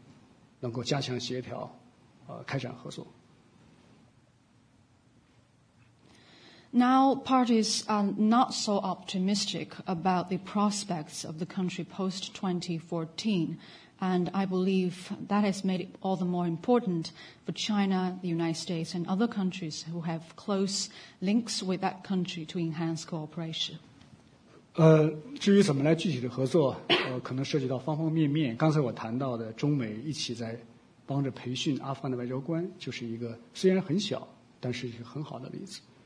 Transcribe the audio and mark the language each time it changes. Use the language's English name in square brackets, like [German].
[Chinese] 现在各方面对明年之后的阿富汗的形势，大多都不太持乐观的态度，这是一个事实。这更需要包括中美在内的跟阿富汗有关的国家能够加强协调，开展合作。 [English] Now parties are not so optimistic about the prospects of the country post 2014. And I believe that has made it all the more important for China, the United States, and other countries who have close links with that country to enhance cooperation. [Chinese] 至于怎么来具体的合作，可能涉及到方方面面。刚才我谈到的中美一起在帮着培训阿富汗的外交官，就是一个虽然很小，但是一个很好的例子。